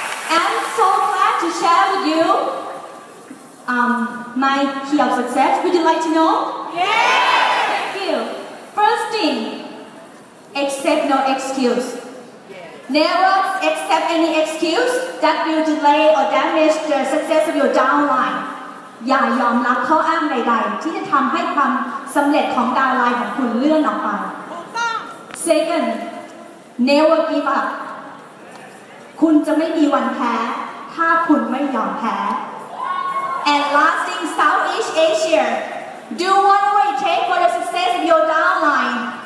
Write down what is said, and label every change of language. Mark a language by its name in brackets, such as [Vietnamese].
[English] And I'm so glad to share with you my key of success. Would you like to know? Yeah! Thank you. First thing, accept no excuse. Never accept any excuse that will delay or damage the success of your downline. [Thai] อย่ายอมรับข้ออ้างใดๆที่จะทำให้ความสำเร็จของ downline ของคุณเลื่อนออกไป [English] Second, never give up. [Thai] คุณจะไม่มีวันแพ้ถ้าคุณไม่ยอมแพ้ [English] And last thing, Southeast Asia. Do whatever it takes for the success of your downline.